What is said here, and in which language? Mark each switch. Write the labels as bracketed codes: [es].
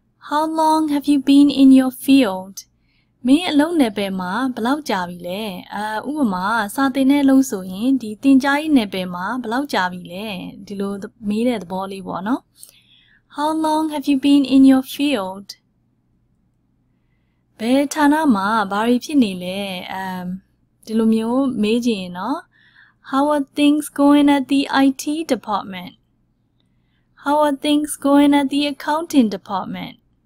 [en] How long have you been in your field? [my] မင်းအလုံးနယ်ပယ်မှာဘယ်လောက်ကြာပြီလဲ? အဥပမာစာသင်တဲ့အလုပ်ဆိုရင်ဒီသင်ကြားရေးနယ်ပယ်မှာဘယ်လောက်ကြာပြီလဲ? ဒီလိုမေးတဲ့သဘောလေးပေါ့နော်။ [en] How long have you been in your field? [my] ဘယ်ဌာနမှာဘာရီဖြစ်နေလဲ? ဒီလိုမျိုးမေးကြည့်ရင်နော်။ [en] How are things going at the IT department? How are things going at the accounting department?